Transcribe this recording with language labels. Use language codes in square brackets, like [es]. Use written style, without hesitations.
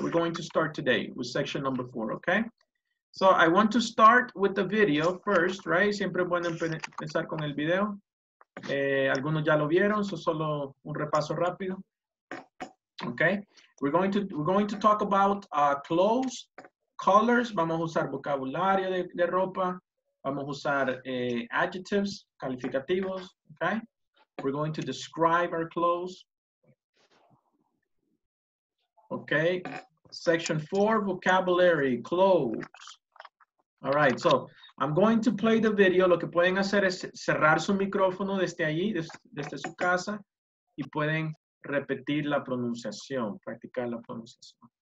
[en] We're going to start today with section number 4, ok? So, I want to start with the video first, right? [es] Siempre pueden empezar con el video. Algunos ya lo vieron, so solo un repaso rápido. [en] Ok. We're going to talk about clothes. [es] Colors, vamos a usar vocabulario de ropa, vamos a usar adjectives, calificativos, okay? [en] We're going to describe our clothes. Okay, section 4, vocabulary, clothes. All right, so I'm going to play the video. [es] Lo que pueden hacer es cerrar su micrófono desde allí, desde su casa, y pueden repetir la pronunciación, practicar la pronunciación.